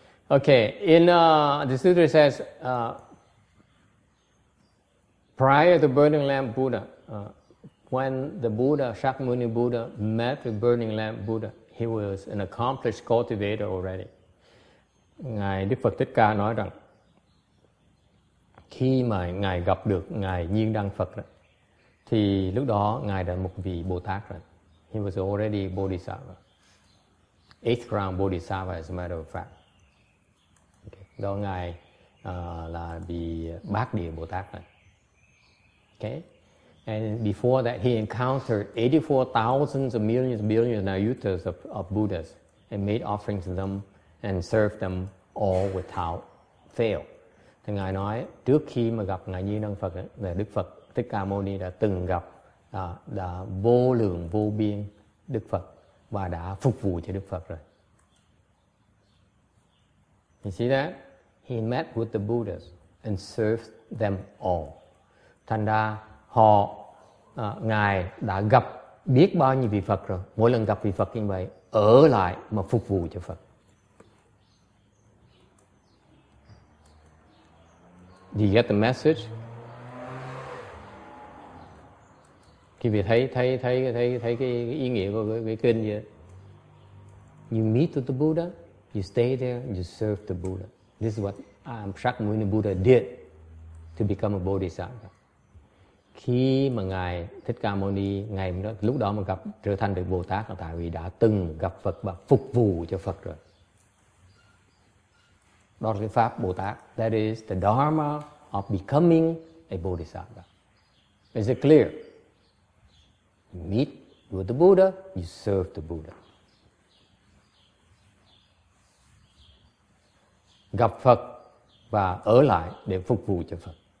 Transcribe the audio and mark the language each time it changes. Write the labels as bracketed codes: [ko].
[en] Okay, in the sutra says, prior to Burning Lamp Buddha, when the Buddha, Shakyamuni Buddha, met the Burning Lamp Buddha, he was an accomplished cultivator already. [vi] Ngài Đức Phật Thích Ca nói rằng, khi mà Ngài gặp được Ngài Nhiên Đăng Phật, đó, thì lúc đó Ngài đã một vị Bồ Tát rồi. [en] He was already Bodhisattva. Eighth ground Bodhisattva, as a matter of fact. [vi] Đó Ngài là vị Bát Địa Bồ Tát này. Okay. [en] And before that, he encountered 84,000 of millions, billions of Nayutas of Buddhas and made offerings to them and served them all without fail. [vi] Thì Ngài nói, trước khi mà gặp Ngài Nhiên Đăng Phật, Đức Phật Thích Ca Mâu Ni đã từng gặp đã vô lượng vô biên Đức Phật và đã phục vụ cho Đức Phật rồi. [en] You see that? He met with the Buddhas and served them all. [vi] Thành ra họ, Ngài đã gặp biết bao nhiêu vị Phật rồi. Mỗi lần gặp vị Phật như vậy, ở lại mà phục vụ cho Phật. [en] Do you get the message? [vi] Quý vị thấy cái ý nghĩa của cái kinh vậy? [en] You meet with the Buddha. You stay there and you serve the Buddha. This is what Shakyamuni Buddha did to become a Bodhisattva. [vi] Khi mà Ngài Thích Ca Mâu Ni, ngày đó, lúc đó mà gặp trở thành được Bồ Tát là tại vì đã từng gặp Phật và phục vụ cho Phật rồi. Đó là cái pháp Bồ Tát. [en] That is the Dharma of becoming a Bodhisattva. Is it clear? You meet with the Buddha, you serve the Buddha. [vi] Gặp Phật và ở lại để phục vụ cho Phật.